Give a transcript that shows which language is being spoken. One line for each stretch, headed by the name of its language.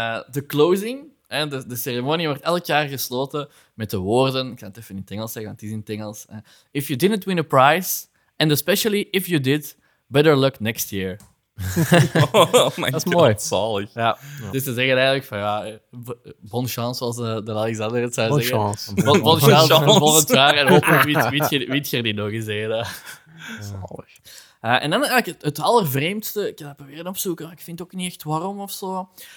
Dutch: De closing, de ceremonie wordt elk jaar gesloten met de woorden... Ik ga het even in het Engels zeggen, want het is in het Engels.
English: If you didn't win a prize, and especially if you did, better luck next year.
Dutch: Oh my dat is God, mooi. Zalig. Ja. Dus ze zeggen eigenlijk van ja,
French: bon chance,
Dutch: zoals de Alexander het zou
French: bon
Dutch: zeggen.
French: Chance. Bon chance.
Dutch: Volgend jaar en hopelijk weet je er niet nog eens heen. Zalig. En dan eigenlijk het allervreemdste, ik heb dat proberen opzoeken, maar ik vind het ook niet echt waarom of zo.